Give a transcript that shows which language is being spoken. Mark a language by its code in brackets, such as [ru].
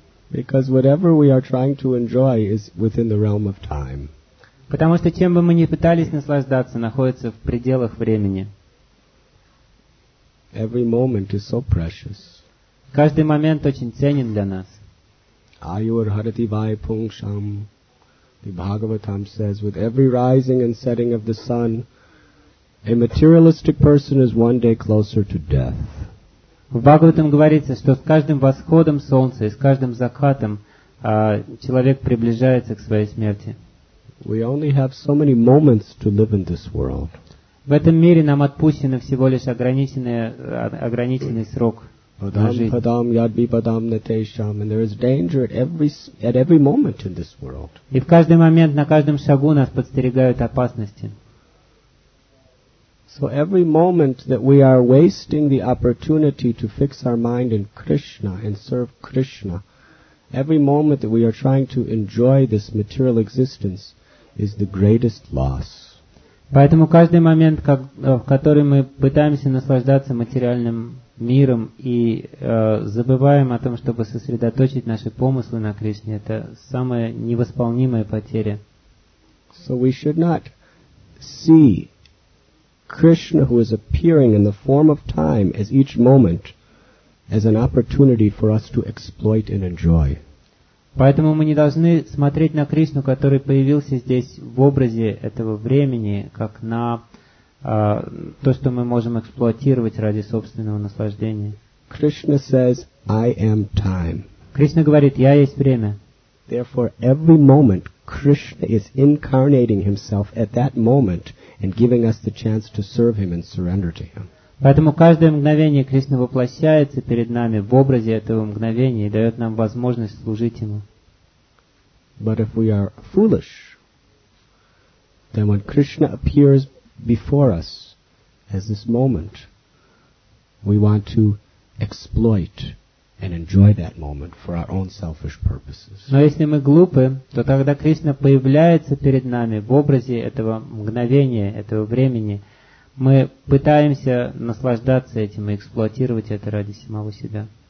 [en] Because whatever we are trying to enjoy is within the realm of time. [ru] Потому что чем бы мы ни пытались наслаждаться, находится в пределах времени. [en] Every moment is so precious. [ru] Каждый момент очень ценен для нас. [sa] Ayur Harati Vai Pungsham. [en] The Bhagavatam says, with every rising and setting of the sun, a materialistic person is one day closer to death. [ru] В Бхагаватам говорится, что с каждым восходом солнца и с каждым закатом человек приближается к своей смерти. [en] We only have so many moments to live in this world. [ru] В этом мире нам отпущено всего лишь ограниченный срок на жизнь. [sa] Падам, ядби, падам, натешам, [en] and there is danger at every moment in this world. [ru] И в каждый момент, на каждом шагу нас подстерегают опасности. [en] So every moment that we are wasting the opportunity to fix our mind in Krishna and serve Krishna, every moment that we are trying to enjoy this material existence is the greatest loss. [ru] Поэтому каждый момент, в который мы пытаемся наслаждаться материальным миром и забываем о том, чтобы сосредоточить наши помыслы на Кришне, это самая невосполнимая потеря. [en] So we should not see Krishna, who is appearing in the form of time as each moment, as an opportunity for us to exploit and enjoy. [ru] Поэтому мы не должны смотреть на Кришну, который появился здесь в образе этого времени, как на то, что мы можем эксплуатировать ради собственного наслаждения. [en] Krishna says, I am time. [ru] Кришна говорит, я есть время. [en] Therefore, every moment Krishna is incarnating himself at that moment and giving us the chance to serve him and surrender to him. [ru] Поэтому каждое мгновение Кришна воплощается перед нами в образе этого мгновения и дает нам возможность служить Ему. [en] But if we are foolish, then when Krishna appears before us as this moment, we want to exploit and enjoy that moment for our own selfish purposes. [ru] Но если мы глупы, то тогда Кришна появляется перед нами в образе этого мгновения, этого времени, мы пытаемся наслаждаться этим и эксплуатировать это ради самого себя.